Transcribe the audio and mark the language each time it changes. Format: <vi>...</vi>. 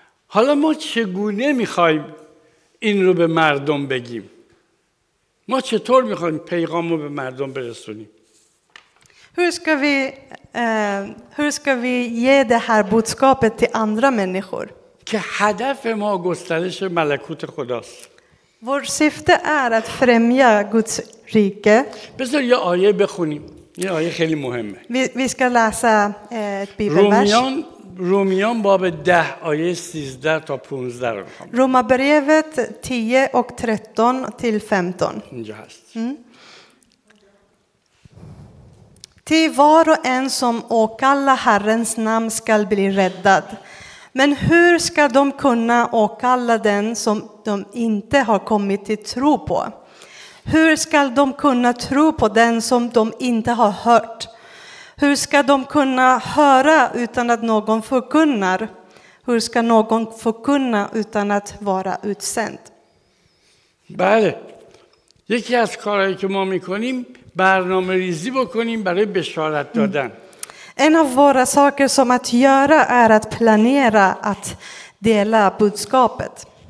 <fa>حالا ما چگونه میخوایم این رو به مردم بگیم؟ ما چطور میخوایم پیغام رو به مردم برسونیم؟</fa> <sv>Hur ska vi ge det här budskapet till andra människor? که هدف ما گسترش ملکوت خداست. Vår syfte är att främja Guds rike.</sv> <fa>بذار یه آیه بخونیم. یه آیه خیلی مهمه.</fa> <sv>Vi ska läsa ett bibelvers.</sv> <fa>Romian bab 10 آیه 13 تا 15 رو خواهم. رومبرویت 10 و 13 تا 15. اینجا هست.</fa> <sv>تی var och en som åkallar Herrens namn skall bli räddad. Men hur ska de kunna åkalla den som de inte har kommit till tro på? Hur ska de kunna tro på den som de inte har hört? Hur ska de kunna höra utan att någon förkunnar? Hur ska någon förkunna utan att vara utsänd?</sv> <fa>Bale. یکی از کارهایی که ما می‌کنیم برنامه‌ریزی بکنیم برای بشارت دادن.</fa> <sv>En av våra saker som att göra är att planera att dela budskapet.</sv>